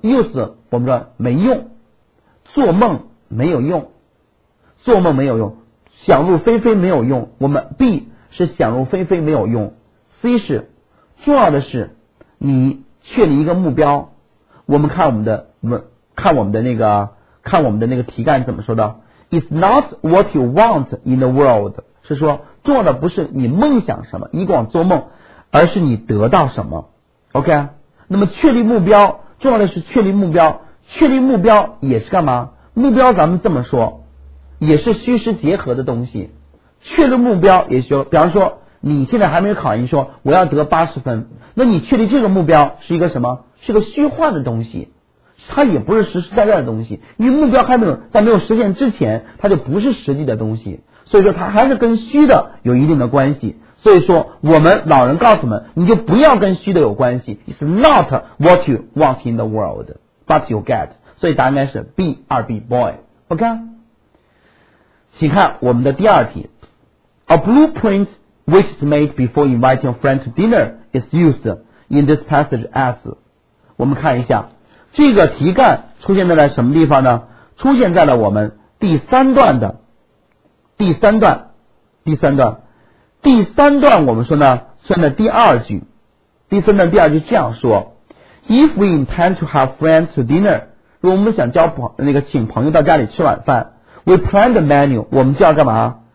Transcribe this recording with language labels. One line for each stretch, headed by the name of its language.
Chinese: use 我们说没用，做梦没有用，想入非非没有用。我们 B 是想入非非没有用， C 是重要的是你确立一个目标。我们看我们的那个题干怎么说的，
English: is not what you want in the world.
Chinese: 是说做的不是你梦想什么，你光做梦，而是你得到什么。
English: OK?
Chinese: 那么确立目标，重要的是确立目标。确立目标也是干嘛？目标咱们这么说，也是虚实结合的东西。确立目标也是，比方说你现在还没有考研，说我要得80分，那你确立这个目标是一个什么？是个虚幻的东西，它也不是实实在在的东西，因为目标还没有，在没有实现之前它就不是实际的东西，所以说它还是跟虚的有一定的关系。所以说我们老人告诉我们，你就不要跟虚的有关系。
English: It's not what you want in the world but you get。
Chinese: 所以答案应该是 B 二 B boy。 OK, 请看我们的第二题。
English: A blueprint which is made before inviting a friend to dinner is used in this passage as。
Chinese: 我们看一下这个题干出现在什么地方呢？出现在了我们第三段的第三段。我们说呢，算在第二句，第三段第二句这样说，
English: If we intend to have friends to dinner,
Chinese: 如果我们想叫那个请朋友到家里吃晚饭，
English: We plan the menu,
Chinese: 我们就要干嘛？